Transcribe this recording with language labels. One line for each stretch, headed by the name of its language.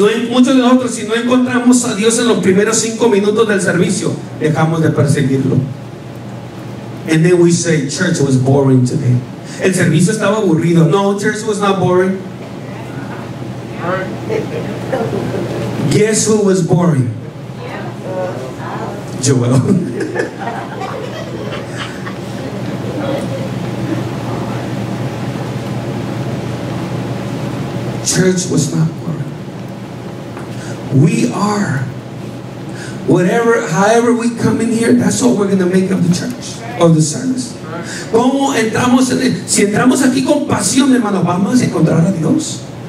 Spanish: Muchos de nosotros, si no encontramos a Dios en los primeros 5 minutos del servicio, dejamos de perseguirlo.
English: And then we say, church was boring today.
Spanish: El servicio estaba aburrido. No,
English: church was not boring. Guess who was boring? Joel. Church was not boring. We are. Whatever, however we come in here, that's what we're going to make of the church, of the service.
Spanish: ¿Cómo entramos en el, si entramos aquí con pasión, hermano, vamos a encontrar a Dios?